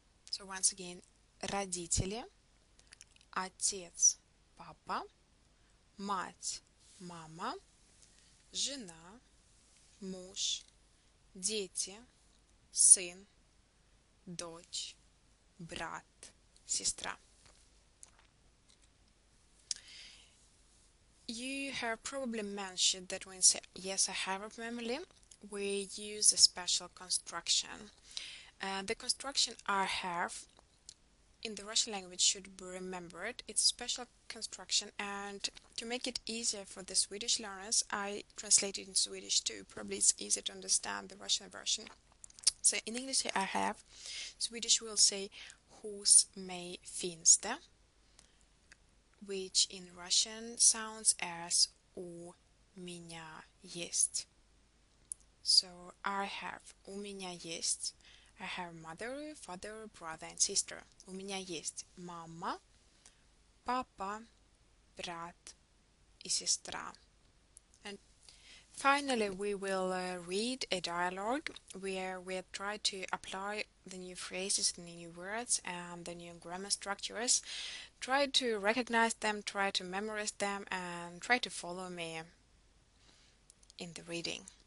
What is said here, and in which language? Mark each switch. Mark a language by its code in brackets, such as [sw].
[en] So once again, [ru] родители, отец, папа, мать, мама, жена, муж, дети, сын, дочь, брат, сестра. [en] You have probably mentioned that when say yes, I have a family, we use a special construction. The construction I have in the Russian language should be remembered. It's special construction, and to make it easier for the Swedish learners, I translate it in Swedish too. Probably it's easier to understand the Russian version. So in English here I have, Swedish will say [sv] hos mig finns det, [en] which in Russian sounds as [ru] у меня есть. [en] So I have, [ru] у меня есть. [en] I have mother, father, brother and sister. [ru] У меня есть мама, папа, брат и сестра. [en] And finally, we will read a dialogue where we try to apply the new phrases, the new words and the new grammar structures. Try to recognize them, try to memorize them and try to follow me in the reading.